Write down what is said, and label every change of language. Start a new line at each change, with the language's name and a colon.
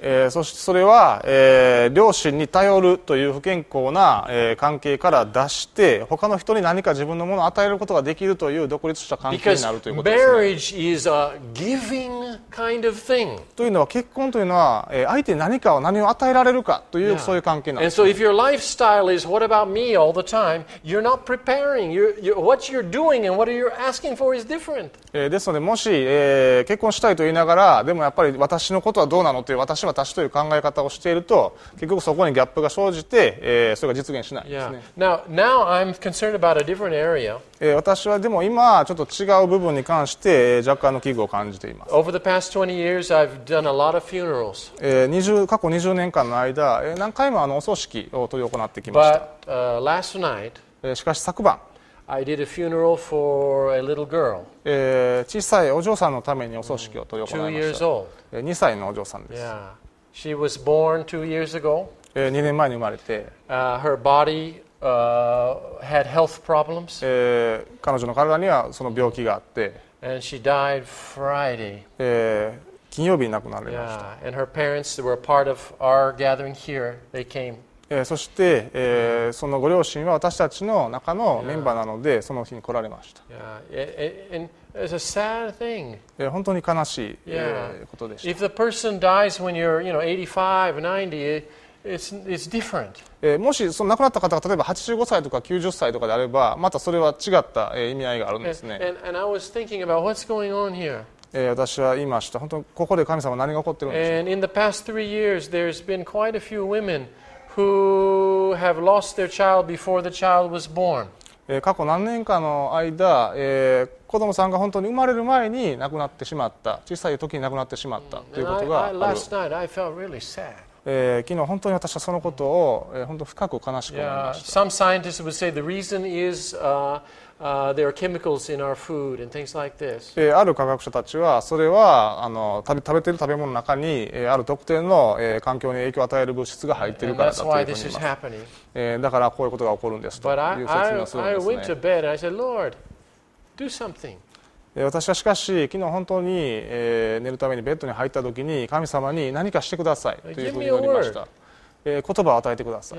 Japanese: そしてそれは、両親に頼るという不健康な、関係から脱して他の人に何か自分のものを与えることができるという独立した関係になるということですね。
English: Because marriage is a giving kind of thing.
Japanese: というのは結婚というのは、相手に何かを何を与えられるかという、yeah. そういう関係なんですね。
English: And so if your lifestyle is what about me all the time, you're not preparing. What you're doing and what you're asking for is different.
Japanese: ですのでもし、結婚したいと言いながらでもやっぱり私のことはどうなのという私は私という考え方をしていると結局そこにギャップが生じて、それが実現しないですね。 Yeah.
English: Now I'm concerned about a different area.
Japanese: 私はでも今ちょっと違う部分に関して若干の危惧を感じています。
English: Over the past 20 years, I've done a lot of funerals.
Japanese: 過去20年間の間、何回もお葬式を取り行ってきました。
English: But, last night,
Japanese: しかし昨晩
English: I did a funeral for a little girl.
Japanese: 小さいお嬢さんのためにお葬式を取り行いました。
English: 2 years old.
Japanese: 2歳のお嬢さんです。
English: Yeah. She was born 2 years ago.
Japanese: 2年前に生まれて。
English: Her body, had health problems.
Japanese: 彼女の体にはその病気があって。
English: And she died Friday.
Japanese: 金曜日に亡くなりました。 Yeah.
English: And her parents were part of our gathering here. They came.
Japanese: そして、そのご両親は私たちの中のメンバーなので、yeah. その日に来られました。
English: yeah. It's a sad thing.
Japanese: 本当に悲しい、yeah. ことでした。
English: If the person dies when you're, you know, 85, 90, it's different.
Japanese: もしその亡くなった方が例えば85歳とか90歳とかであればまたそれは違った、意味合いがあるんですね。
English: and I was thinking about what's going on here.
Japanese: 私は言いました。本当にここで神様何が起こってるんでしょうか。
English: And in the past 3 years, there's been quite a few womenWho have lost their child before the child was born.
Japanese: 過去何年かの間、子供さんが本当に生まれる前に亡くなってしまった、小さい時に亡くなってしまったということがある。
English: Last night I felt really sad.
Japanese: 昨日本当に私はそのことを、本当深く悲しく思いました。
English: Yeah, some scientists would say the reason is, there are chemicals in our food and things like this.
Japanese: ある科学者たちはそれは食べている食べ物の中に、ある特定の、環境に影響を与える物質が入っているからだというふうに言います。
English: That's why this is happening.
Japanese: だからこういうことが起こるんですという説明をするんですね。
English: But I went to bed and I said, Lord, do something.
Japanese: 私はしかし昨日本当に、寝るためにベッドに入った時に神様に何かしてくださいというふうに言いました。
English: Give me a word.
Japanese: 言葉を与えてください。